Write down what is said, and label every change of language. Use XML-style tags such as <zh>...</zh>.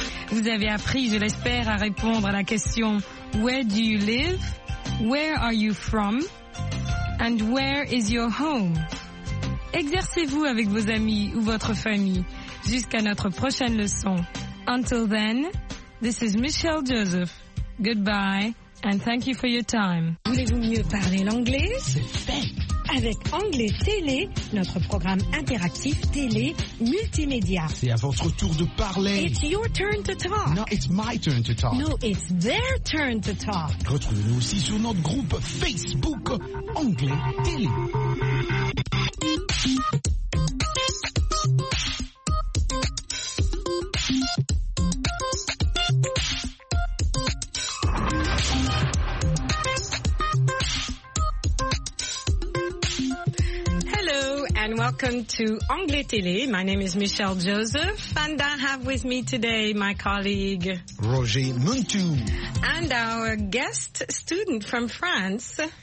<fr>Vous avez appris, je l'espère, à répondre à la question</fr> <en>Where do you live? Where are you from? And where is your home?</en> <fr>Exercez-vous avec vos amis ou votre famille jusqu'à notre prochaine leçon.</fr> <en>Until then, this is Michelle Joseph. Goodbye and thank you for your time.</en> <fr>Voulez-vous mieux parler l'anglais? Fait. Avec Anglais Télé, notre programme interactif télé multimédia. C'est à votre tour de parler.</fr> <en>It's your turn to talk. No, it's my turn to talk. No, it's their turn to talk.</en> <fr>Retrouvez-nous aussi sur notre groupe Facebook Anglais Télé.</fr> <en>Welcome to Anglais Télé. My name is Michelle Joseph, and I have with me today my colleague Roger Muntou and our guest student from France,</en>